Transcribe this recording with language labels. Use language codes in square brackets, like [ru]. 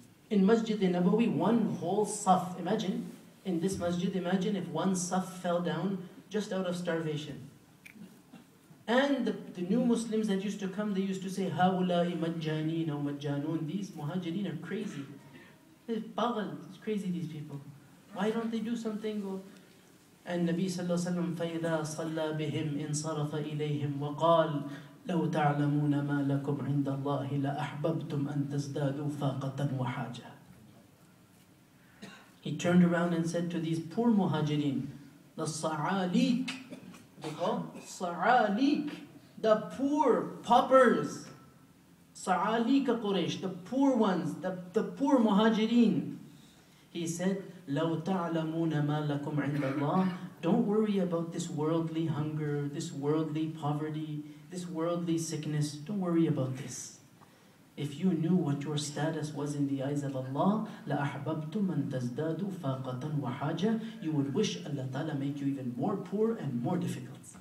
[en] In Masjid al-Nabawi, one whole saf. Imagine, in this masjid, imagine if one saf fell down just out of starvation. And the new Muslims that used to come, they used to say, [ar] هَوْلَاهِ مَجَّانِينَ وَمَجَّانُونَ. [en] These muhajireen are crazy. It's crazy, these people. Why don't they do something? [ar] And Nabi sallallahu alayhi wa sallam, فَإِذَا صَلَّى بِهِمْ إِنْ صَرَفَ إِلَيْهِمْ وَقَالْ لَوْ تَعْلَمُونَ مَا لَكُمْ عِنْدَ اللَّهِ لَأَحْبَبْتُمْ أَنْ تَزْدَادُوا فَاقَةً وَحَاجَةً. [en] He turned around and said to these poor muhajirin, the sa'alik, Sa'alik, the poor paupers. Sa'alik Quraysh, the poor ones, the poor muhajirin. He said, [ar] لَوْ تَعْلَمُونَ مَا لَكُمْ عِنْدَ اللَّهِ. [en] Don't worry about this worldly hunger, this worldly poverty, this worldly sickness. Don't worry about this. If you knew what your status was in the eyes of Allah, [ar] لَأَحْبَبْتُمْ أَن تَزْدَادُوا فَاقَةً وَحَاجَةً. [en] You would wish Allah Ta'ala make you even more poor and more difficult.